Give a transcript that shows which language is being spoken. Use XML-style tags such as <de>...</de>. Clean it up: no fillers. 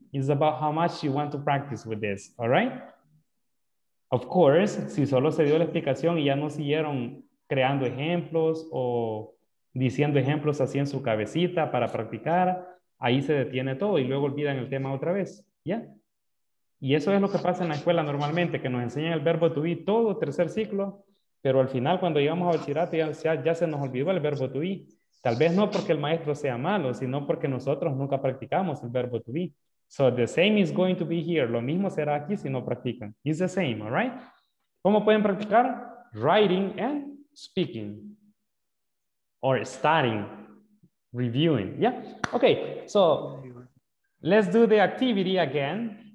<en>It's about how much you want to practice with this. All right? Of course,</en> <es>si solo se dio la explicación y ya no siguieron creando ejemplos o diciendo ejemplos así en su cabecita para practicar, ahí se detiene todo y luego olvidan el tema otra vez. ¿Ya? Y eso es lo que pasa en la escuela normalmente, que nos enseñan el verbo to be todo tercer ciclo. Pero al final, cuando llegamos a bachillerato, ya se nos olvidó el verbo to be. Tal vez no porque el maestro sea malo, sino porque nosotros nunca practicamos el verbo to be.</es> <en>So the same is going to be here.</en> <es>Lo mismo será aquí si no practican.</es> <en>It's the same, all right?</en> <es>¿Cómo pueden practicar?</es> <en>Writing and speaking. Or studying. Reviewing. Yeah? Okay, so let's do the activity again.</en>